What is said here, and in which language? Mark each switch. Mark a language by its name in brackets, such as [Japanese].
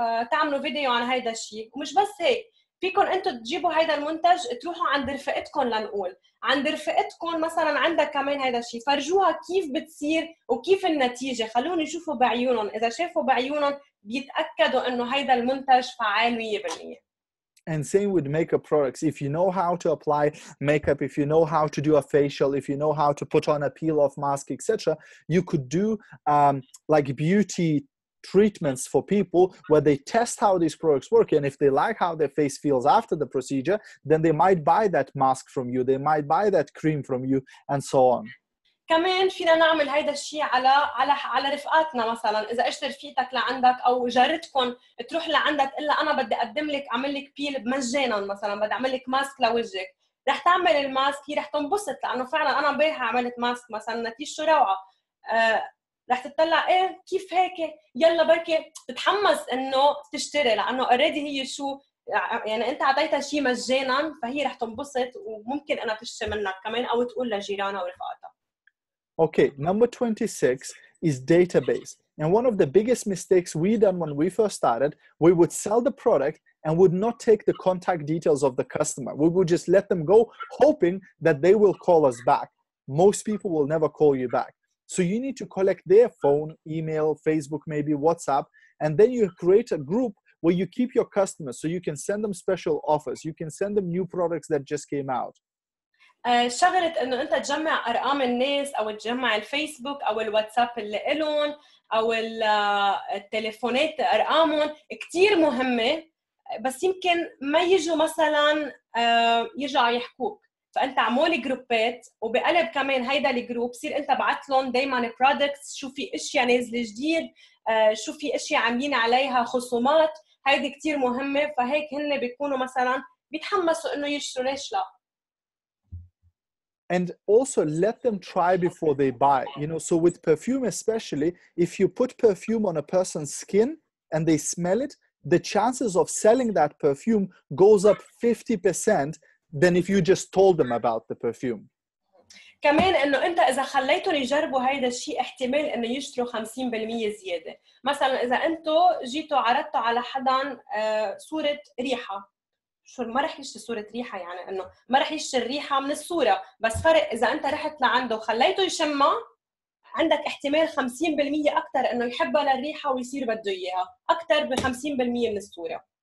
[Arabic] تعملوا فيديو عن هيدا الشيء ومش بس هيك فيكم انتم تجيبوا هيدا المنتج تروحوا عند رفقتكم لنقول عند رفقتكم مثلا عندها كمان هيدا الشيء فرجوها كيف بتصير وكيف النتيجه خلوهم يشوفوا بعيونهم اذا شافوا بعيونهم بيتاكدوا انه هيدا المنتج فعال 100%. [English] And same with makeup products. If you know how to apply makeup, if you know how to do a facial, if you know how to put on a peel-off mask, etc., you could do like beauty treatments for people where they test how these products work. And if they like how their face feels after the procedure, then they might buy that mask from you. They might buy that cream from you and so on. [Arabic] كمان فينا نعمل هيدا الشيء على على على رفقاتنا مثلا اذا اشتر فيتك لعندك او جارتكم تروح لعندك الا انا بدي اقدم لك اعمل لك بيل مجانا مثلا بدي اعمل لك ماسك لوجهك رح تعمل الماسك هي رح تنبسط لأنه فعلاً أنا امبارح عملت ماسك مثلاً نتيجة روعة. رح تطلع إيه كيف هيك يلا بركة تتحمس إنه تشتري لأنه [English] already [Arabic] هي شو يعني أنت عطيتها شيء مجاناً فهي رح تنبسط وممكن أنا تشتري منك كمان أو تقول لجيرانها ورفقاتها. [English] Okay, number 26 is database. And one of the biggest mistakes we done when we first started, we would sell the product and would not take the contact details of the customer. We would just let them go, hoping that they will call us back. Most people will never call you back. So you need to collect their phone, email, Facebook, maybe WhatsApp, and then you create a group where you keep your customers so you can send them special offers. You can send them new products that just came out. [Arabic] شغلة انه انت تجمع ارقام الناس او تجمع الفيسبوك او الواتساب اللي الون او التليفونات ارقامهم كتير مهمة بس يمكن ما يجوا مثلا يرجعوا يحكوك فانت عمول جروبات وبقلب كمان هيدا الجروب صير انت بعت لهم دايما برودكتس شو في اشياء نازلة جديد شو في اشياء عاملين عليها خصومات هيدا كتير مهمة فهيك هن بيكونوا مثلا بيتحمسوا انه يشتروا ليش لا. [English] And also let them try before they buy. You know, so with perfume especially, if you put perfume on a person's skin and they smell it, the chances of selling that perfume goes up 50% than if you just told them about the perfume. [Arabic] كمان انه انت اذا خليتهم يجربوا هيدا الشيء احتمال انه يشتروا 50% زياده. مثلا اذا انتوا جيتوا عرضتوا على حدا صوره ريحه شو ما رح يشتري صورة ريحة يعني إنه ما رح يشتري الريحة من الصورة بس فرق إذا أنت رحت لعنده وخليته يشمها عندك احتمال 50% أكتر إنه يحبها للريحة ويصير بده إياها أكتر ب 50% من الصورة.